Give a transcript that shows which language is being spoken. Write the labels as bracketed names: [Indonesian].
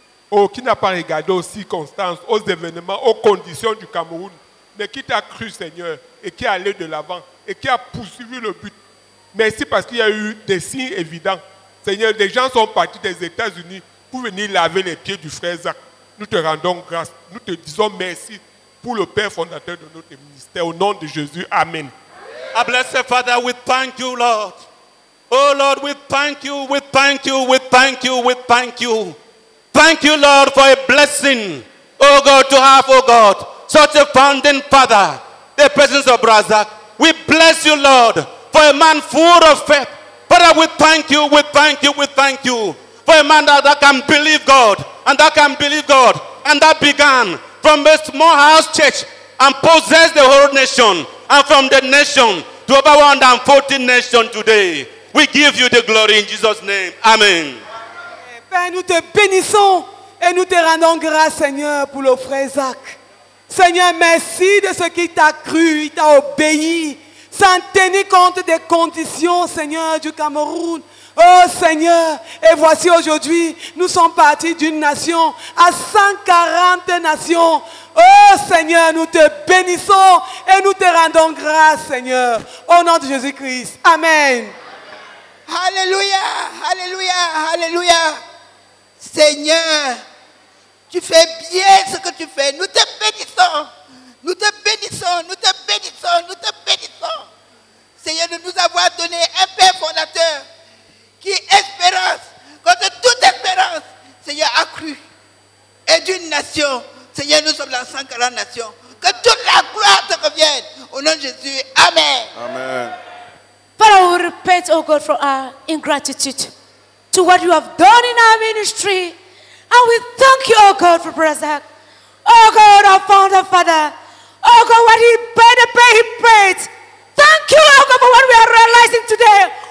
[French] Oh, qui n'a pas regardé aux circonstances, aux événements, aux conditions du Cameroun, mais qui t'a cru, Seigneur, et qui est allé de l'avant, et qui a poursuivi le but. Merci parce qu'il y a eu des signes évidents. Seigneur, des gens sont partis des États-Unis pour venir laver les pieds du frère Zach. Nous te rendons grâce. Nous te disons merci pour le Père fondateur de notre ministère. Au nom de Jésus, amen. [English] Amen. I bless the Father, we thank you, Lord. Oh Lord, we thank you, we thank you, we thank you, we thank you. Thank you, Lord, for a blessing, oh God, to have, oh God, such a founding father, the presence of Brother. We bless you, Lord, for a man full of faith. Father, we thank you, we thank you, we thank you for a man that can believe God, and that can believe God, and that began from a small house church and possessed the whole nation, and from the nation to over 140 nations today. We give you the glory in Jesus' name. Amen. [French] Nous te bénissons et nous te rendons grâce, Seigneur, pour le frère Zach. Seigneur, merci de ce qu'il t'a cru, il t'a obéi, sans tenir compte des conditions, Seigneur, du Cameroun. Oh Seigneur, et voici aujourd'hui, nous sommes partis d'une nation à 140 nations. Oh Seigneur, nous te bénissons et nous te rendons grâce, Seigneur, au nom de Jésus-Christ. Amen. Alléluia, alléluia, alléluia. Seigneur, tu fais bien ce que tu fais. Nous te bénissons. Nous te bénissons. Nous te bénissons. Nous te bénissons. Seigneur, de nous avoir donné un Père fondateur qui espérance, contre toute espérance, Seigneur, a cru. Et d'une nation, Seigneur, nous sommes dans 140 nations. Que toute la gloire te revienne. Au nom de Jésus, amen. Amen. [English] Father, we repent, oh God, for our ingratitude to what you have done in our ministry. And we thank you, oh God, for Brother Zach. Oh God, our founder, Father. Oh God, what he paid, the pay he paid. Thank you, oh God, for what we are realizing today.